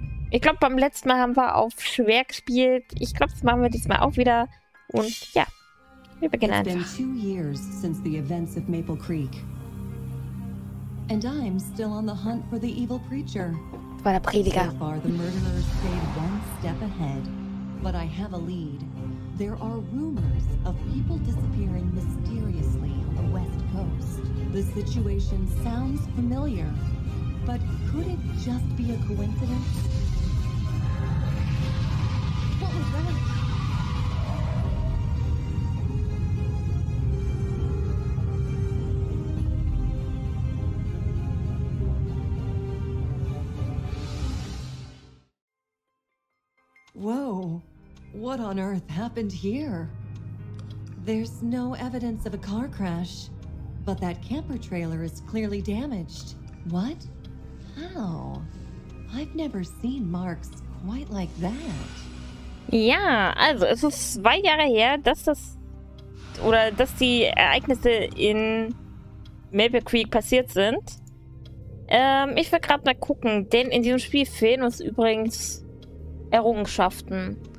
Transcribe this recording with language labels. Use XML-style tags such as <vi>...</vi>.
<de>Ich glaube, beim letzten Mal haben wir auf schwer gespielt. Ich glaube, das machen wir diesmal auch wieder. Und ja, wir beginnen einfach. Es ist 2 Jahre seit den Ereignissen von Maple Creek. Und ich bin noch auf der Hunt für den bösen Prediger. Bei der Prediger.</de> <en>So far, the murderers stayed one step ahead, but I have a lead. There are rumors of people disappearing mysteriously on the west coast. The situation sounds familiar, but could it just be a coincidence? What was that? Whoa, what on earth happened here? There's no evidence of a car crash, but that camper trailer is clearly damaged. What? How? I've never seen marks quite like that.</en> <de>Ja, also es ist 2 Jahre her, dass die Ereignisse in Maple Creek passiert sind. Ich will gerade mal gucken, denn in diesem Spiel fehlen uns übrigens Errungenschaften.</de>